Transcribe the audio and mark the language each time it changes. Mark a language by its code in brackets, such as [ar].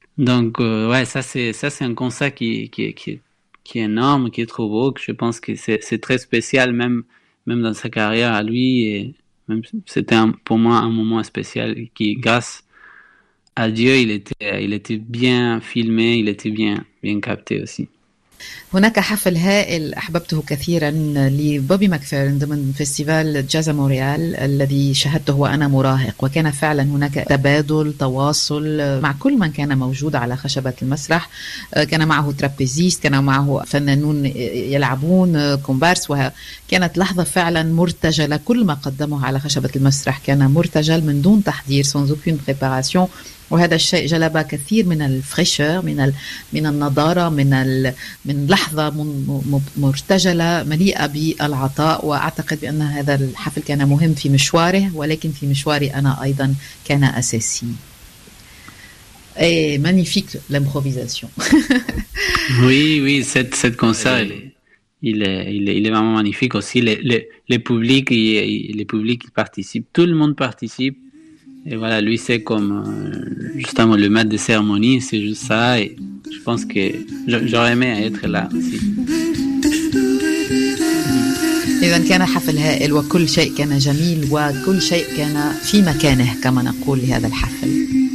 [fr] Donc, ça c'est un concert qui est énorme, qui est trop beau, que je pense que c'est très spécial, même dans sa carrière à lui. Et même, c'était pour moi un moment spécial qui, grâce à Dieu, il était bien filmé, il était bien capté aussi. [ar] هناك حفل هائل أحببته كثيرا لبوبي ماكفيرن ضمن فيستيفال جازا موريال الذي شاهدته وأنا مراهق، وكان فعلا هناك تبادل تواصل مع كل من كان موجود على خشبة المسرح، كان معه ترابيزيست، كان معه فنانون يلعبون كومبارس، وكانت لحظة فعلا مرتجلة، كل ما قدمه على خشبة المسرح كان مرتجل من دون تحضير، [fr] sans aucune préparation، [ar] وهذا الشيء جلب كثير من الفريشر، من النضارة، من لحظة مرتجلة مليئة بالعطاء. وأعتقد بأن هذا الحفل كان مهم في مشواره، ولكن في مشواري أنا أيضا كان أساسي. [fr] Magnifique l'improvisation. Oui, cet concert, il est vraiment magnifique aussi. Le public participe, tout le monde participe. Et voilà, lui, c'est comme justement le maître de cérémonie, c'est juste ça. Et je pense que j'aurais aimé être là aussi. [ar] إذن كان حفل هائل وكل شيء كان جميل وكل شيء كان في مكانه كما نقول لهذا الحفل.